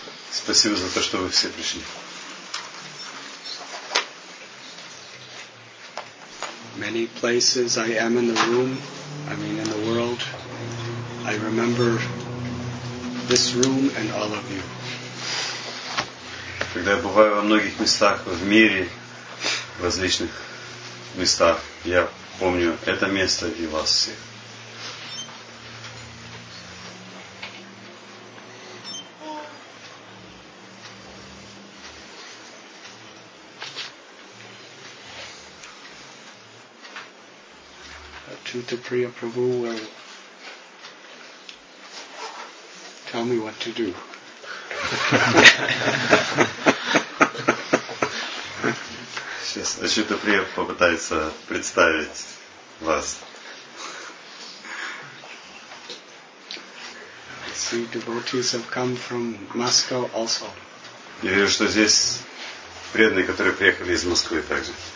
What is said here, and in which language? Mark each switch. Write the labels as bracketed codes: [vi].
[ru] Спасибо за то, что вы все пришли. [en] Many places I am in the room, I mean in the world, I remember this room and all of you. [ru] Когда я бываю во многих местах в мире, в различных местах, я помню это место и вас всех. [en] To Priya Prabhu will tell me what to do. [ru] Сейчас Ачюта Прия попытается представить вас. [en] I see devotees have come from Moscow also. [ru] Я вижу, что здесь преданные, которые приехали из Москвы также.